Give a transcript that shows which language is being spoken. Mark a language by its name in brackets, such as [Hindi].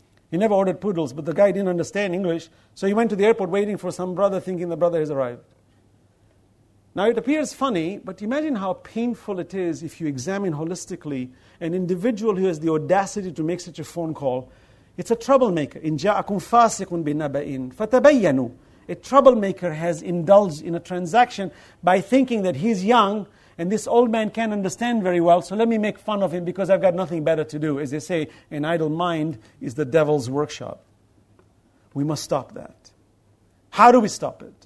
[English] He never ordered poodles, but the guy didn't understand English. So he went to the airport waiting for some brother, thinking the brother has arrived. Now, it appears funny, but imagine how painful it is if you examine holistically an individual who has the audacity to make such a phone call. It's a troublemaker. [Arabic] إن جاءكم فاسق بنبأ فتبينوا. [English] A troublemaker has indulged in a transaction by thinking that he's young and this old man can't understand very well, so let me make fun of him because I've got nothing better to do. As they say, an idle mind is the devil's workshop. We must stop that. How do we stop it?